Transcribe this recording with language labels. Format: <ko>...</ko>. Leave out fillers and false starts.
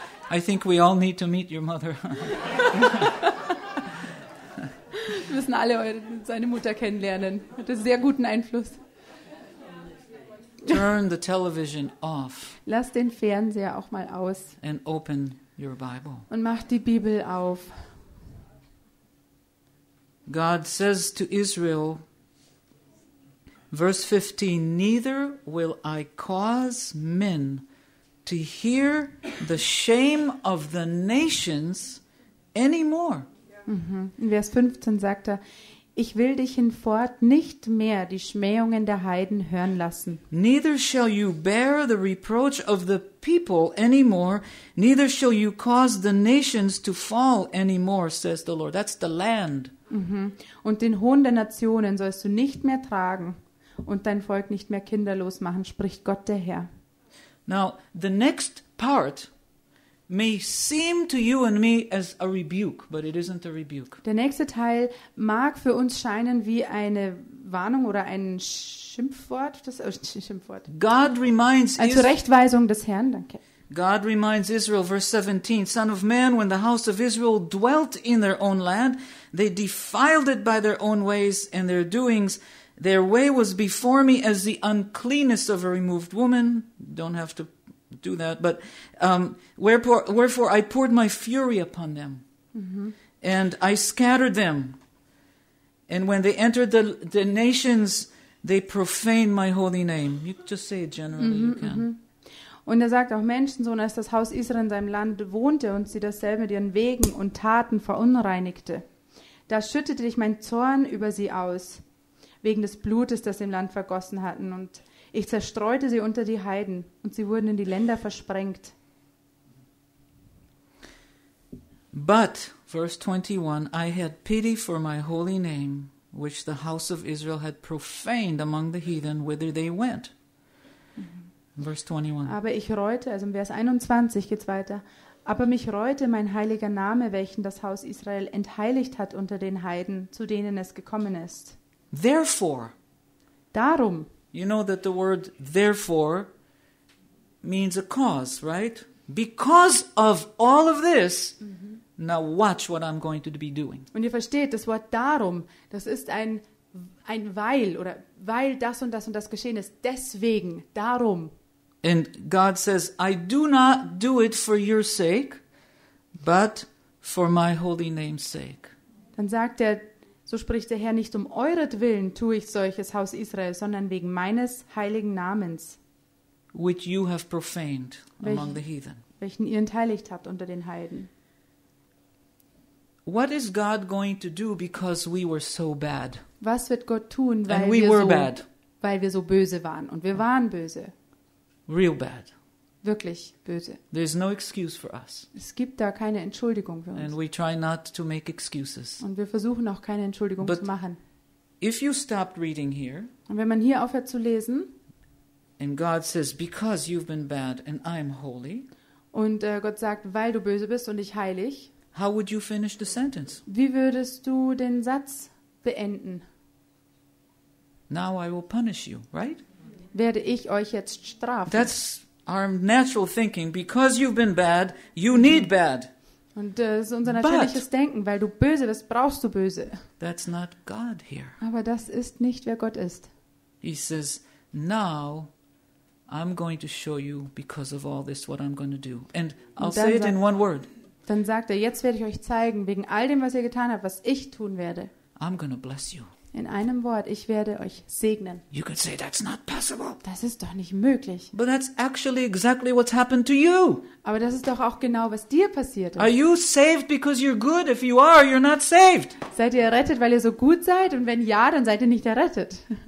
<en>I think we all need to meet your mother.</en> <de>Wir müssen alle seine Mutter kennenlernen. Hat einen sehr guten Einfluss.</de> <en>Turn the television off.</en> <de>Lass den Fernseher auch mal aus.</de> <en>And open your Bible.</en> <de>Und mach die Bibel auf.</de> <en>God says to Israel, Verse 15, neither will I cause men to hear the shame of the nations anymore.</en> <de>In Vers 15 sagt er, ich will dich hinfort nicht mehr die Schmähungen der Heiden hören lassen.</de> <en>Neither shall you bear the reproach of the people anymore, neither shall you cause the nations to fall anymore, says the Lord. That's the land.</en> <de>Und den Hohn der Nationen sollst du nicht mehr tragen und dein Volk nicht mehr kinderlos machen, spricht Gott der Herr.</de> <en>Now, the next part may seem to you and me as a rebuke, but it isn't a rebuke.</en> <de>Der nächste Teil mag für uns scheinen wie eine Warnung oder ein Schimpfwort.</de> <en>God reminds Israel.</en> <de>Zurechtweisung des Herrn, danke.</de> <en>God reminds Israel, verse 17, Son of man, when the house of Israel dwelt in their own land, they defiled it by their own ways and their doings. Their way was before me as the uncleanness of a removed woman. Don't have to do that, but wherefore I poured my fury upon them, and I scattered them. And when they entered the nations, they profaned my holy name. You can just say it generally.</en> <de>Und er sagt auch, Menschensohn, als das Haus Israel in seinem Land wohnte und sie dasselbe mit ihren Wegen und Taten verunreinigte, da schüttete ich mein Zorn über sie aus, wegen des Blutes, das sie im Land vergossen hatten, und ich zerstreute sie unter die Heiden und sie wurden in die Länder versprengt.</de> <en>But, verse 21, I had pity for my holy name, which the house of Israel had profaned among the heathen, whither they went. Verse 21.</en> <de>Aber ich reute, also im Vers 21 geht's weiter, aber mich reute mein heiliger Name, welchen das Haus Israel entheiligt hat unter den Heiden, zu denen es gekommen ist.</de> <en>Therefore.</en> <de>Darum.</de> <en>You know that the word therefore means a cause, right? Because of all of this, now watch what I'm going to be doing.</en> <de>Und ihr versteht, das Wort darum, das ist ein weil, oder weil das und das und das geschehen ist, deswegen, darum.</de> <en>And God says, I do not do it for your sake, but for my holy name's sake.</en> <de>Dann sagt er, so spricht der Herr, nicht um euretwillen tue ich solches, Haus Israel, sondern wegen meines heiligen Namens.</de> <en>Which you have profaned among the heathen.</en> <de>Welchen ihr entheiligt habt unter den Heiden.</de> <en>What is God going to do because we were so bad?</en> <de>Was wird Gott tun, weil wir so böse waren? Und wir waren böse.</de> <en>Real bad.</en> <de>Wirklich böse.</de> <en>There's no excuse for us.</en> <de>Es gibt da keine Entschuldigung für uns.</de> <en>And we try not to make excuses.</en> <de>Und wir versuchen auch keine Entschuldigung</de> <en>But</en> <de>zu machen.</de> <en>If you stopped reading here,</en> <de>und wenn man hier aufhört zu lesen,</de> <en>and God says, because you've been bad and I'm holy,</en> <de>und Gott sagt, weil du böse bist und ich heilig,</de> <en>how would you finish the sentence?</en> <de>Wie würdest du den Satz beenden?</de> <en>Now I will punish you, right?</en> <de>Werde ich euch jetzt strafen.</de> <en>That's our natural thinking. Because you've been bad, you need bad.</en> <de>Und das ist unser natürliches Denken. Weil du böse bist, brauchst du böse.</de> <en>That's not God here.</en> <de>Aber das ist nicht, wer Gott ist.</de> <en>He says, now I'm going to show you because of all this what I'm going to do. And I'll say it in one word.</en> <de>Dann sagt er, jetzt werde ich euch zeigen, wegen all dem, was ihr getan habt, was ich tun werde.</de> <en>I'm going to bless you.</en> <de>In einem Wort, ich werde euch segnen.</de> <en>You could say, that's not possible.</en> <de>Das ist doch nicht möglich.</de> <en>But that's actually exactly what's happened to you.</en> <de>Aber das ist doch auch genau, was dir passiert ist.</de> <en>Are you saved because you're good? If you are, you're not saved.</en> <de>Seid ihr errettet, weil ihr so gut seid? Und wenn ja, dann seid ihr nicht errettet.</de>